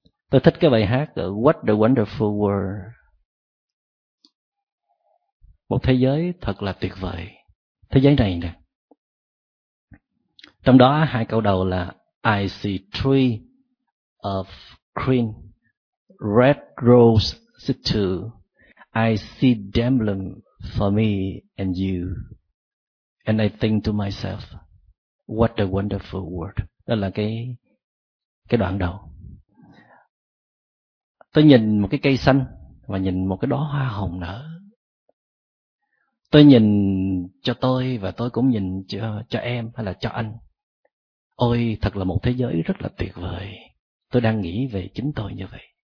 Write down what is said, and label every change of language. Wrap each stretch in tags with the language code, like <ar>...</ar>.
<vi>Tôi thích cái bài hát ở What a Wonderful World. Một thế giới thật là tuyệt vời. thế giới này nè. Trong đó hai câu đầu là</vi> <en>I see tree of green, red rose sister, I see them bloom for me and you, and I think to myself, what a wonderful world.</en> <vi>Đó là cái đoạn đầu. Tôi nhìn một cái cây xanh và nhìn một cái đóa hoa hồng nở. Tôi nhìn cho tôi và tôi cũng nhìn cho em hay là cho anh. Ôi, thật là một thế giới rất là tuyệt vời. Tôi đang nghĩ về chính tôi như vậy.</vi>